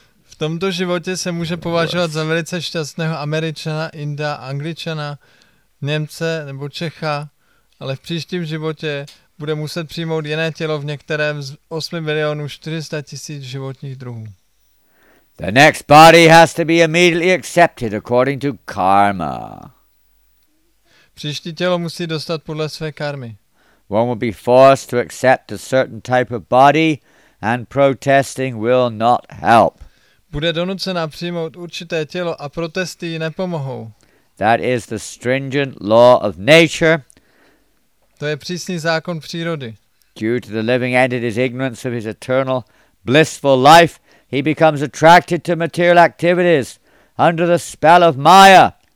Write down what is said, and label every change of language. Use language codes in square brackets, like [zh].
[cs] V tomto životě se může považovat za velice šťastného Američana, Inda, Angličana, Němce nebo Čecha, ale v příštím životě bude muset přijmout jiné tělo v některém z 8,400,000 životních druhů. [en] The next body has to be immediately accepted according to karma. [cs] Příští tělo musí dostat podle své karmy. [en] One will be forced to accept a certain type of body and protesting will not help. [cs] Bude donucena přijmout určité tělo a protesty nepomohou. [en] That is the stringent law of nature. [cs] To je přísný zákon přírody. [en] Due to the living entity's ignorance of his eternal blissful life, He becomes attracted to material activities under the spell of Maya.